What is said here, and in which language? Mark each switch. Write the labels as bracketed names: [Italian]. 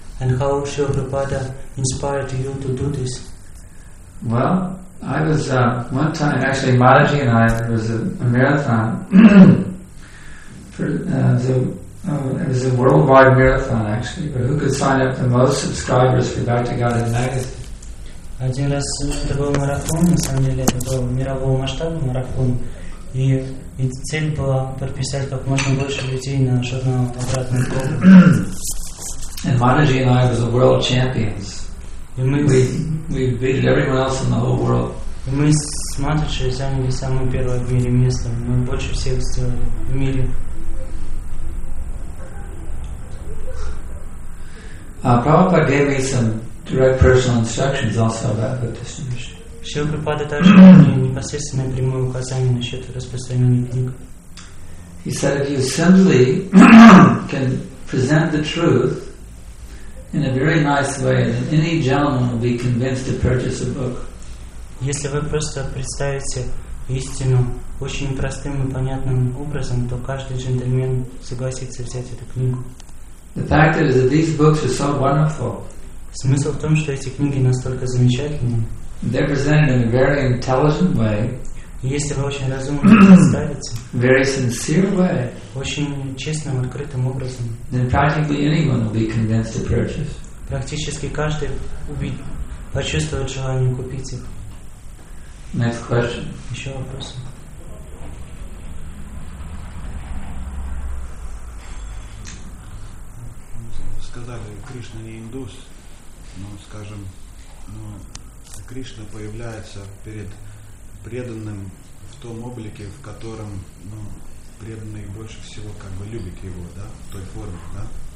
[English] And how Srila Prabhupada inspired you to do this? Well, I was one time, actually Mataji and I, there was a marathon. it was a worldwide marathon, actually. But who could sign up the most subscribers for Bhaktivedanta magazine? [Russian] Один раз это был марафон, на самом деле это был мирового масштаба марафон, и цель была подписать как можно больше людей на журнал «Обратный круг». [English] And Mataji and I was the world champions. We beat everyone else in the whole world. [Russian] И мы с Mataji заняли самое первое в мире место, мы больше всех сделали в мире. [English] Prabhupada gave me some direct personal instructions also about book distribution. [Russian] Шрила Прабхупада также дал мне непосредственное прямое указание насчет распространения книг. [English] He said, if you simply can present the truth in a very nice way, then any gentleman will be convinced to purchase a book. [Russian] Если вы просто представите истину очень простым и понятным образом, то каждый джентльмен согласится взять эту книгу. [English] The fact is that these books are so wonderful. [Russian] Смысл в том, что эти книги настолько замечательны. [English] They're presented in a very intelligent way. [Russian] Если вы очень разумно представите. [English] Very sincere way. [Russian] Очень честным, открытым образом. [English] Then practically anyone will be convinced to purchase. [Russian] Практически каждый почувствует желание купить их. [English] Next question. [Russian] Еще вопрос. Сказали, Кришна не индус. Ну, скажем, ну, Кришна появляется перед преданным в том облике, в котором, ну, преданный больше всего как бы любит его, да, в той форме, да?